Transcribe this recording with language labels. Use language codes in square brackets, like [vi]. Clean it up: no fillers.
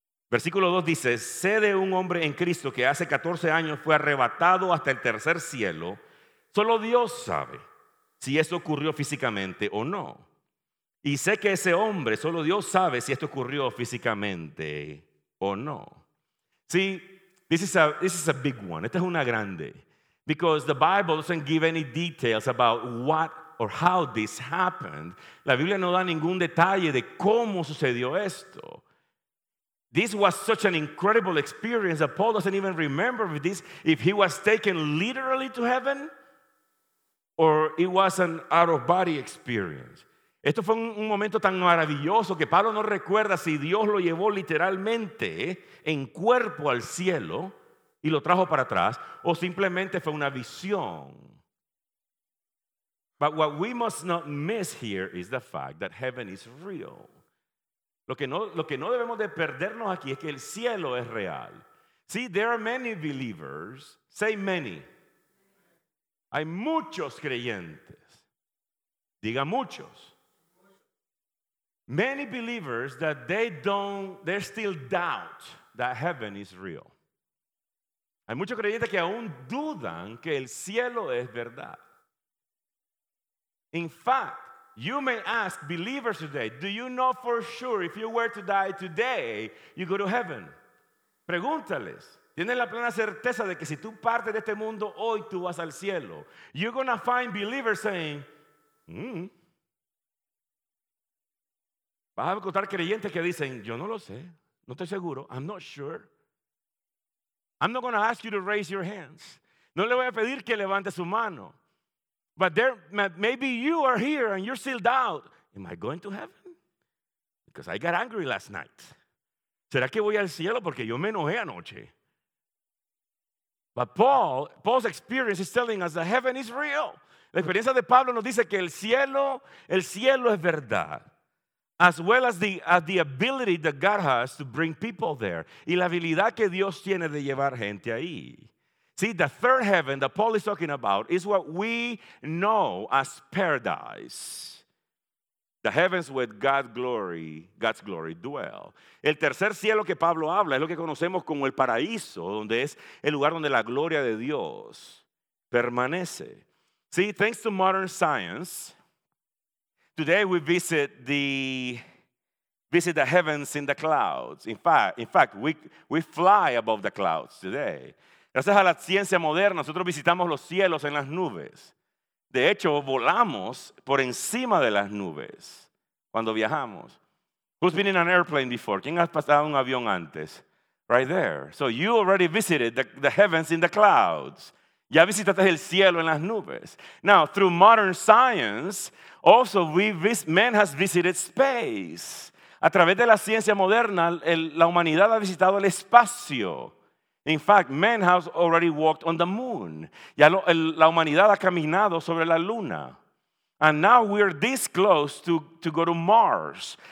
[es] Versículo 2 dice, sé de un hombre en Cristo que hace 14 años fue arrebatado hasta el tercer cielo. Solo Dios sabe si eso ocurrió físicamente o no. Y sé que ese hombre, solo Dios sabe si esto ocurrió físicamente o no. [en] See, this is a big one. [es] Esta es una grande. [en] Because the Bible doesn't give any details about what or how this happened. [es] La Biblia no da ningún detalle de cómo sucedió esto. [en] This was such an incredible experience that Paul doesn't even remember if he was taken literally to heaven or it was an out-of-body experience. [es] Esto fue un momento tan maravilloso que Pablo no recuerda si Dios lo llevó literalmente en cuerpo al cielo y lo trajo para atrás, o simplemente fue una visión. [en] But what we must not miss here is the fact that heaven is real. [es] Lo que no debemos de perdernos aquí es que el cielo es real. [en] See, there are many believers, say many. [es] Hay muchos creyentes. Diga muchos. [en] Many believers that they still doubt that heaven is real. [es] Hay muchos creyentes que aún dudan que el cielo es verdad. [en] In fact, You may ask believers today, do you know for sure if you were to die today, you go to heaven? [es] Pregúntales. Tienen la plena certeza de que si tú partes de este mundo hoy, tú vas al cielo. [en] You're going to find believers saying, [es] Vas a encontrar creyentes que dicen, yo no lo sé, no estoy seguro, [en] I'm not sure. I'm not going to ask you to raise your hands. [es] No le voy a pedir que levante su mano. [en] But there, maybe you are here and you're still doubt. Am I going to heaven? Because I got angry last night. [es] ¿Será que voy al cielo? Porque yo me enojé anoche. [en] But Paul's experience is telling us that heaven is real. [es] La experiencia de Pablo nos dice que el cielo es verdad. [en] As well as the ability that God has to bring people there. [es] Y la habilidad que Dios tiene de llevar gente ahí. [en] See, the third heaven that Paul is talking about is what we know as paradise. The heavens with God's glory dwell. [es] El tercer cielo que Pablo habla es lo que conocemos como el paraíso, donde es el lugar donde la gloria de Dios permanece. [en] See, thanks to modern science, today we visit the heavens in the clouds. In fact, we fly above the clouds today. [es] Gracias a la ciencia moderna, nosotros visitamos los cielos en las nubes. De hecho, volamos por encima de las nubes cuando viajamos. [en] Who's been in an airplane before? [es] ¿Quién ha pasado un avión antes? [en] Right there. So you already visited the heavens in the clouds. [es] Ya visitaste el cielo en las nubes. [en] Now, through modern science, also man has visited space. [es] A través de la ciencia moderna, la humanidad ha visitado el espacio. [en] In fact, man has already walked on the moon. [es] Ya la humanidad ha caminado sobre la luna. [en] And now we're this close to go to Mars.